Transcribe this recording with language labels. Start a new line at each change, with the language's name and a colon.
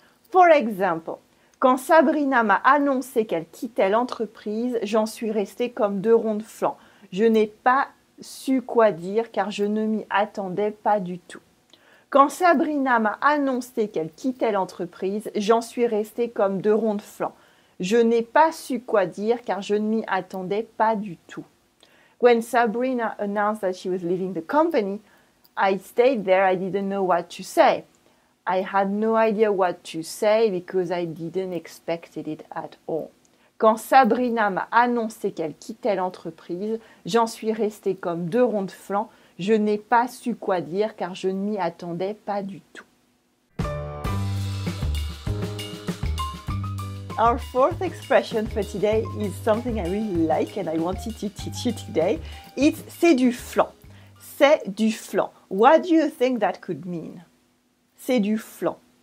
English: For example,
French: quand Sabrina m'a annoncé qu'elle quittait l'entreprise, j'en suis restée comme deux ronds de flanc. Je n'ai pas su quoi dire car je ne m'y attendais pas du tout. Quand Sabrina m'a annoncé qu'elle quittait l'entreprise, j'en suis restée comme deux ronds de flanc. Je n'ai pas su quoi dire car je ne m'y attendais pas du tout.
English: When Sabrina announced that she was leaving the company, I stayed there, I didn't know what to say. I had no idea what to say because I didn't expect it at all.
French: Quand Sabrina m'a annoncé qu'elle quittait l'entreprise, j'en suis restée comme deux ronds de flanc. Je n'ai pas su quoi dire car je ne m'y attendais pas du tout.
English: Our fourth expression for today is something I really like and I wanted to teach you today. It's
French: c'est du flan. C'est du flan.
English: What do you think that could mean?
French: C'est du flan.